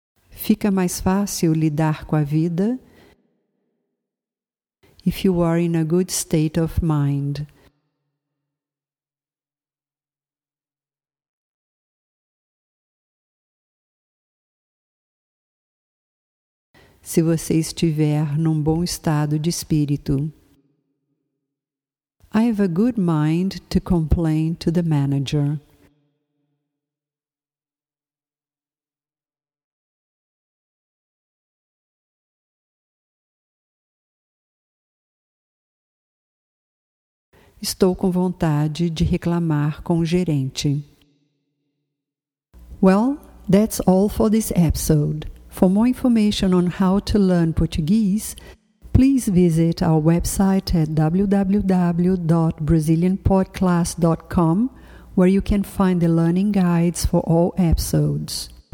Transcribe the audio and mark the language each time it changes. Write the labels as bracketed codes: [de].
[pt] Fica mais fácil lidar com a vida [en] if you are in a good state of mind. [pt] Se você estiver num bom estado de espírito. [en] I have a good mind to complain to the manager. [pt] Estou com vontade de reclamar com o gerente. [en] Well, that's all for this episode. For more information on how to learn Portuguese, please visit our website at www.brazilianpodclass.com, where you can find the learning guides for all episodes.